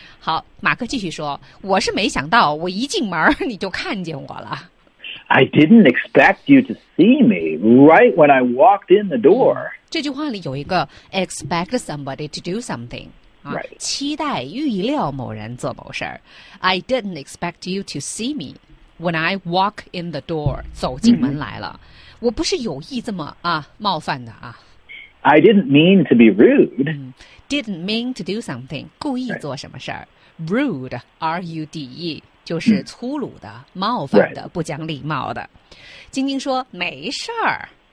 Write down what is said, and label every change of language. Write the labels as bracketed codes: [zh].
[zh] 好，马克继续说，我是没想到我一进门你就看见我了。 [en] I didn't expect you to see me right when I walked in the door. [zh] 这句话里有一个 [en] expect somebody to do something,、 right. [zh] 期待预料某人做某事。 [en] I didn't expect you to see me when I walk in the door, [zh] 走进门来了。我不是有意这么啊冒犯的啊。 [en] I didn't mean to be rude.、 Mm, didn't mean to do something. [zh] 故意做什么事儿、 [en] right. [zh] Rude, R-U-D-E, 就是粗鲁的、冒犯的、 [en] right. [zh] 不讲礼貌的。晶晶说没事儿。